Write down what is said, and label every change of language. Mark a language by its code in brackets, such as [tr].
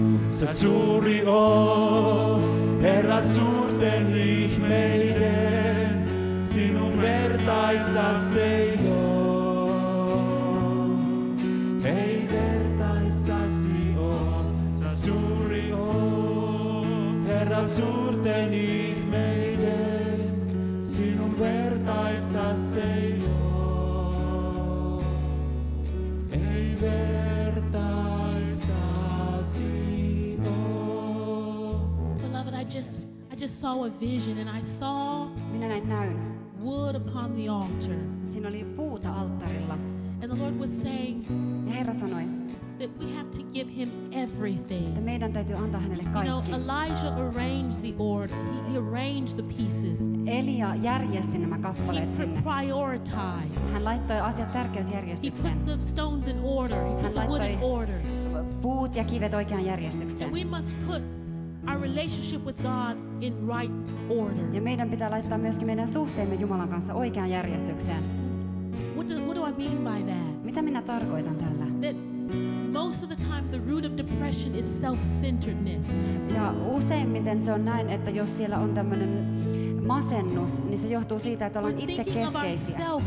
[fi] suuri on, Herra suurten ihmeiden, sinun vertaista se ei ole. Ei vertaistasi ole, sä suuri on, Herra suurten ihmeiden, sinun vertaista se ei ole. [en] Beloved, I just saw a vision, and I saw wood upon the altar. [fi] Siinä oli puuta alttarilla. [en] And the Lord was saying, [fi] ja Herra sanoi, [en] that we have to give him everything. [fi] Että meidän täytyy antaa hänelle kaikki. [en] You know, Elijah arranged the order. He arranged the pieces. [fi] Elia järjesti nämä kappaleet sinne. [en] He prioritized. [fi] Hän laittoi asiat tärkeysjärjestykseen. [en] He put the stones in order. [fi] Hän laittoi puut ja kivet oikeaan järjestykseen. [en] And we must put our relationship with God in right order. [fi] Ja meidän pitää laittaa myöskin meidän suhteemme Jumalan kanssa oikeaan järjestykseen. [en] What do I mean by that? [fi] Mitä minä tarkoitan tällä? [en] Most of the time the root of depression is self-centeredness. [fi] Ja useimmiten se on näin, että jos siellä on tämmöinen masennus, niin se johtuu siitä, että ollaan itsekeskeisiä.